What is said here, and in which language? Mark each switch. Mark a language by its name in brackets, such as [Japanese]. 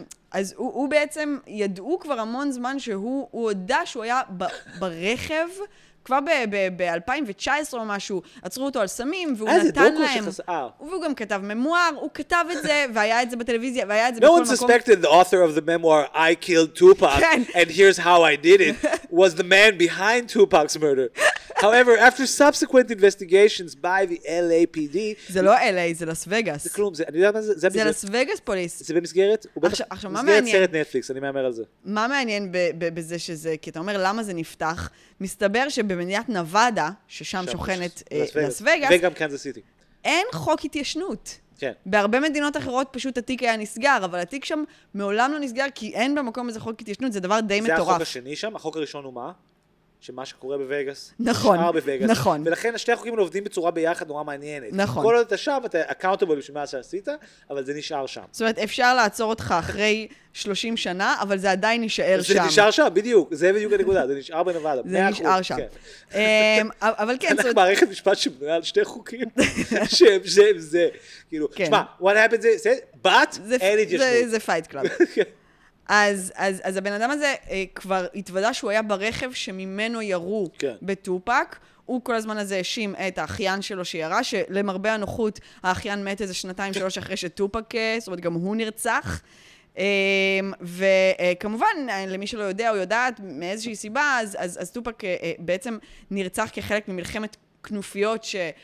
[Hebrew] אז הוא בעצם ידעו כבר המון זמן שהוא הודע שהוא היה ברכב... כבר ב-2019 או משהו, עצרו אותו על סמים, והוא נתן להם... והוא גם כתב ממואר, הוא כתב את זה, והיה את זה בטלוויזיה, והיה את זה בכל מקום. [English] No one suspected the author of the memoir, I Killed Tupac, and Here's How I Did It, was the man behind Tupac's murder. However, after subsequent investigations by the LAPD... [Hebrew] זה לא LA, זה לס וגאס. זה כלום, אני יודע מה זה... זה לס וגאס פוליס. זה במסגרת? עכשיו, מה מעניין? מסגרת סרט נטפליקס, אני מאמר על זה. מה מעניין בזה שזה... כי אתה אומר, למה זה נפתח? מסתבר שבמדינת נוואדה, ששם שוכנת לס וגאס... וגם קנזס סיטי. אין חוק התיישנות. כן. בהרבה מדינות אחרות פשוט התיק היה נסגר, אבל התיק שם מעולם לא נסגר, כי אין במקום איזה חוק התיישנות, זה דבר די מטורף. זה החוק השני שם, החוק הראשון הוא מה? שמה שקורה בווגאס, נכון, נשאר בווגאס. נכון. ולכן השתי החוקים עובדים בצורה ביחד נורא מעניינת. נכון. כל עוד אתה שם, אתה accountable בשביל מה שעשית, אבל זה נשאר שם. זאת אומרת, אפשר לעצור אותך אחרי 30 שנה, אבל זה עדיין נשאר שם. זה נשאר שם, בדיוק. זה בדיוק הנקודה, זה נשאר בנבדה. זה נשאר שם. אבל כן, אנחנו מערכת משפט שבנויה על שתי חוקים, שם, שם, זה. כאילו, שמה, [English] what happened to this? But, and it just... [Hebrew] זה fight club. אז הבן אדם הזה כבר התוודע שהוא היה ברכב שממנו ירו בטופק. הוא כל הזמן הזה האשים את האחיין שלו שירה, שלמרבה הנוחות האחיין מת איזה שנתיים שלוש אחרי שטופק, זאת אומרת גם הוא נרצח. וכמובן, למי שלא יודע או יודעת מאיזושהי סיבה, אז טופק בעצם נרצח כחלק ממלחמת כנופיות ש...